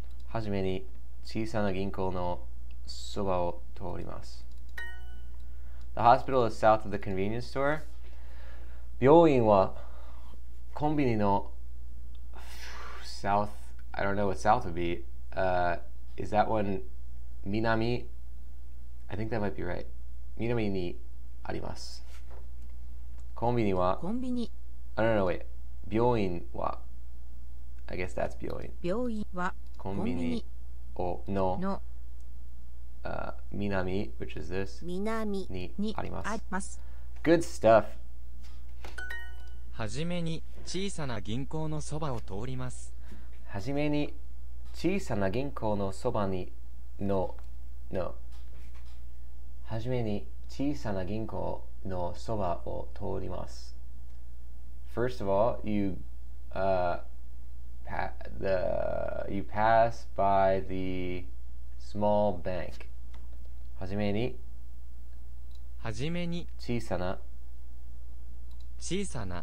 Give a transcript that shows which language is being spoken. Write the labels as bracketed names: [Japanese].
[Japanese] はじめに小さな銀行のそばを通ります。 [English] The hospital is south of the convenience store. [Japanese] 病院はコンビニの [English] south. I don't know what south would be. Is that one 南? I think that might be right. [Japanese] 南にあります。コンビニは。コンビニ。 [English] I don't know. Wait. [Japanese] 病院は。 [English] I guess that's 病院。 [Japanese] 病院は。コンビニをの南, [English] which is this, [Japanese] 南にあります。ます [English] Good stuff. [Japanese] はじめに小さな銀行のそばを通ります。はじめに小さな銀行のそばにのの。はじめに小さな銀行のそばを通ります。 [English] First of all, you pass by the small bank. [Japanese] はじめに。はじめに。小さな。小さな。